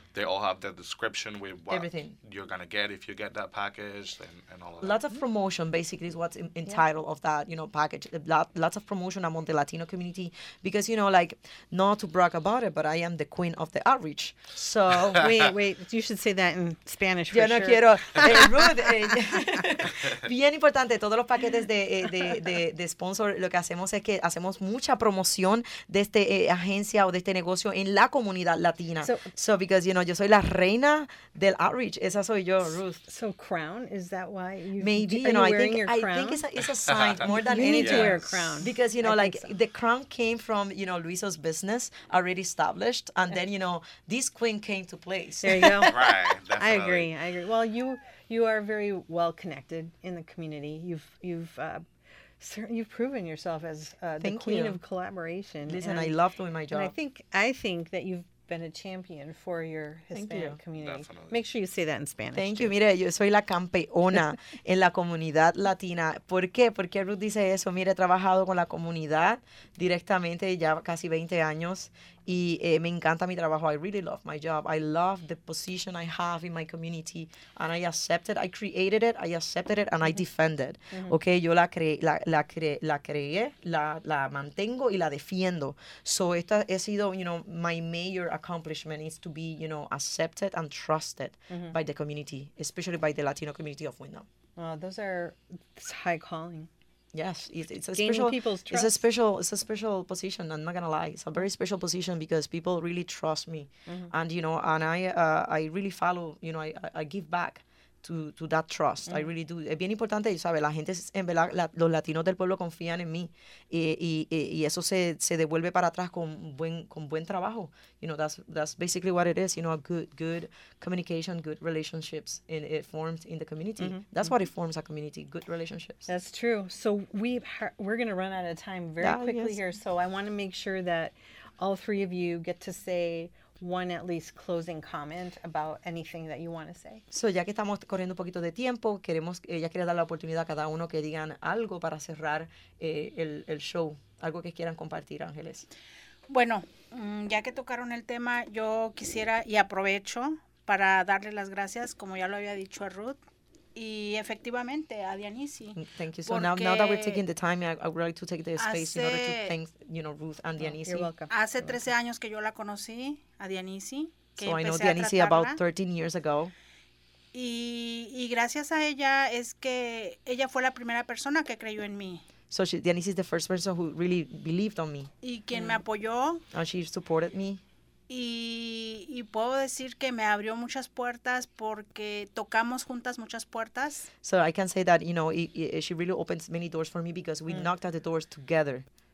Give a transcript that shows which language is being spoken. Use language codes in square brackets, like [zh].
[en] They all have the description with what everything you're going to get if you get that package and all of that. Lots of promotion, basically, is what's in title of that, you know, package. Lots of promotion among the Latino community because, you know, like, not to brag about it, but I am the queen of the outreach. So, wait, you should say that in Spanish for [es] yo [en] sure. [es] Yo no quiero. Rude. Bien importante, todos los paquetes de sponsor, lo que hacemos es que hacemos mucha promoción de esta agencia o de este negocio en la comunidad latina. [en] So, because, you know, [es] yo soy la reina del outreach. Esa soy yo, Ruth. [en] So, crown, is that why you maybe, do, you know, wearing think, your crown? I think it's a sign more than anything. You need to wear a crown. Because, you know, I like, so. The crown came from, you know, Luisa's business already established. And then, you know, this queen came to place. There you go. Right, definitely. I agree. Well, you are very well connected in the community. You've proven yourself as the queen of collaboration. Listen, and I love doing my job. And I think that you've been a champion for your Hispanic community. Definitely. Make sure you say that in Spanish. Thank you. [es] Mire, yo soy la campeona en la comunidad latina. ¿Por qué? Porque Ruth dice eso. Mire, he trabajado con la comunidad directamente ya casi 20 años. Y me encanta mi trabajo. [en] I really love my job. I love the position I have in my community. And I accepted. I created it. I accepted it. And I defend it. Mm-hmm. Okay. [es] Yo la creé, la mantengo y la defiendo. [en] So, [es] esta ha sido, [en] you know, my major accomplishment is to be, you know, accepted and trusted mm-hmm. by the community, especially by the Latino community of Windham. Wow. Those are high calling. Yes, it's a gaining special people's trust. It's a special position. I'm not gonna lie, it's a very special position because people really trust me, mm-hmm. and you know, and I really follow, you know, I give back to that trust. [es] Mm-hmm. [en] I really do. [es] Es bien importante, ¿sabes? La gente en verdad, los latinos del pueblo confían en mí, y eso se devuelve para atrás con buen trabajo. [en] You know, that's basically what it is. You know, a good communication, good relationships, and it forms in the community. Mm-hmm. That's mm-hmm. what it forms a community. Good relationships. That's true. So we're gonna run out of time very quickly here. So I want to make sure that all three of you get to say one at least closing comment about anything that you want to say. [es] So, ya que estamos corriendo un poquito de tiempo, queremos, ella quiere dar la oportunidad a cada uno que digan algo para cerrar el show, algo que quieran compartir, Ángeles. Bueno, ya que tocaron el tema, yo quisiera y aprovecho para darle las gracias, como ya lo había dicho a Ruth, y efectivamente a Dianisi. [en] Thank you. So now that we're taking the time, I would like to take the space in order to thank, you know, Ruth and Dianisi. You're welcome. [es] Hace 13 años que yo la conocí, a Dianisi. [en] So I know Dianisi about 13 years ago. [es] Y gracias a ella es que ella fue la primera persona que creyó en mí. [en] So Dianisi is the first person who really believed on me. [es] Y quien me apoyó. [en] And she supported me. [es] Y puedo decir que me abrió muchas puertas porque tocamos juntas muchas puertas. [en] So I can say that, you know, she really opens many doors for me because we knocked at the doors together.